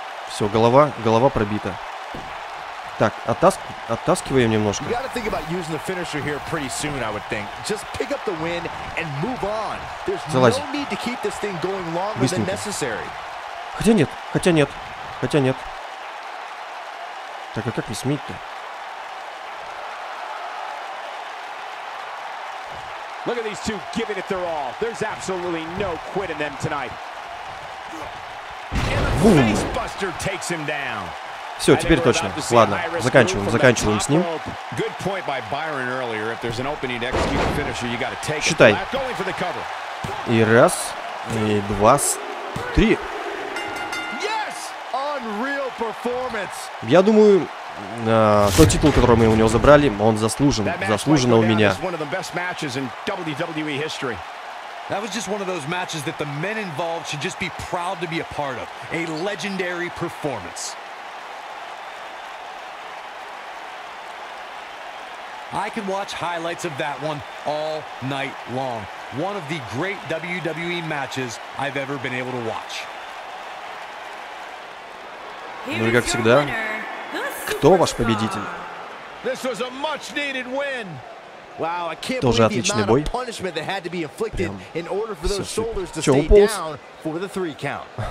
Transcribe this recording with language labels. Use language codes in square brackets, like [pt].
[ru] Все, голова, голова пробита. Так, оттаскиваем немножко. [en] You gotta think about using the finisher here pretty soon, I would think. Just pick up the win and move on. There's no need to keep this thing going longer than necessary. [ru] Хотя нет, хотя нет, хотя нет. Так, а как не сметь-то? [en] Look at these two giving it their all. There's absolutely no quitting them tonight. Boom. Facebuster takes him down. [ru] Все, теперь точно. Ладно, заканчиваем, заканчиваем с ним. [en] Good point by Byron earlier. If there's an opening to execute the finisher, you got to take it. [ru] Считай. [en] Going for the cover. [ru] И раз, и два, три. [en] Yes, unreal performance. [ru] Я думаю. Тот титул, который мы у него забрали, он заслужен. Заслуженно у меня. Ха-ха-ха. [en] I can watch highlights of that one all night long. One of the great WWE matches I've ever been able to watch. [ru] Ну и как всегда, кто ваш победитель? [en] This was a much needed win. Wow, I can't believe the amount of punishment that had to be inflicted in order for those shoulders to stay down for the three count.